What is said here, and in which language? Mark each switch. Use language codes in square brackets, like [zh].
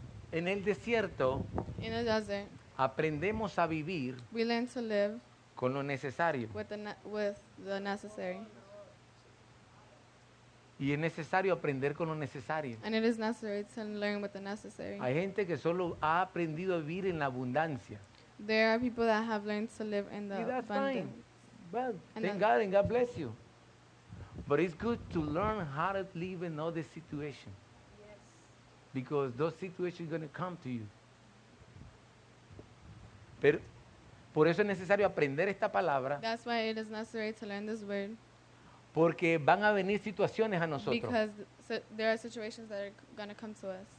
[es] Yeah. En el desierto, [en] in the desert, [es] aprendemos a vivir, [en] we learn to live [es] con lo necesario. [en] With the necessary. [es] Y es necesario aprender con lo necesario. [en] And it is necessary to learn with the necessary. [es] Hay gente que solo ha aprendido a vivir en la abundancia. [en] There are people that have learned to live in the abundance. Well, thank God and God bless you. But it's good to learn how to live in other situations. Yes. Because those situations are going to come to you. [es] Pero por eso es necesario aprender esta palabra. [en] That's why it is necessary to learn this word. [es] Porque van a venir situaciones a nosotros. [en] Because there are situations that are going to come to us.